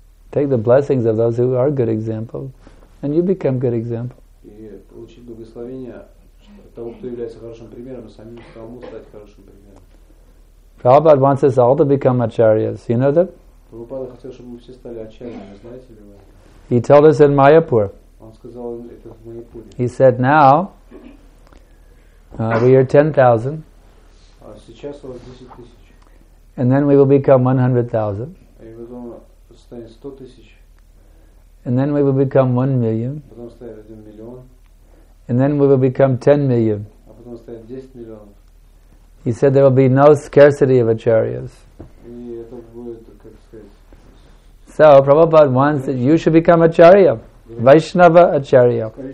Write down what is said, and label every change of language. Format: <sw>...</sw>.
<en>Take the blessings of those who are good example and you become a good example.</en> <ru>Получить благословение того, кто является хорошим примером, и самим самому стать хорошим примером.</ru> <en>Prabhupada wants us all to become acharyas. You know that?</en> <ru>Prabhupada хотел, чтобы мы все стали ачарьями, знаете ли вы?</ru> <en>He told us in Mayapur.</en> <ru>Он сказал это в Майяпуре.</ru> <en>He said, now we are 10,000.</en> <ru>А сейчас у вас 10 тысяч.</ru> <en>And then we will become 100,000.</en> <ru>И потом станет 100 тысяч.</ru> <en>And then we will become 1 million.</en> <ru>Потом станет 1 миллион.</ru> <en>And then we will become 10 million.</en> <ru>А потом станет 10 миллионов.</ru> <en>He said there will be no scarcity of acharyas.</en> <ru>И это будет, как сказать.</ru> <en>So Prabhupada wants that you should become acharya. Vaishnava acharya.</en>